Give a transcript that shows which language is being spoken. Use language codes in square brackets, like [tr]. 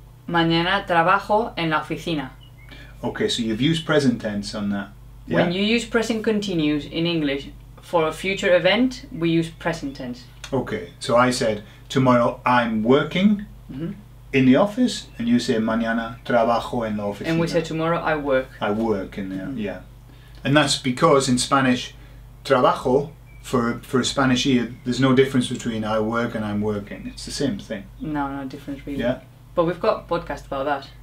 [es] Mañana trabajo en la oficina. [en] Okay, so you've used present tense on that. Yeah? When you use present continuous in English for a future event, we use present tense. Okay, so I said, tomorrow I'm working mm-hmm. in the office, and you say [es] mañana trabajo en la oficina. [en] And we say tomorrow I work. I work in there, mm-hmm. yeah. And that's because in Spanish, trabajo, for a Spanish ear, there's no difference between I work and I'm working. It's the same thing. No difference really. Yeah. But we've got podcast about that.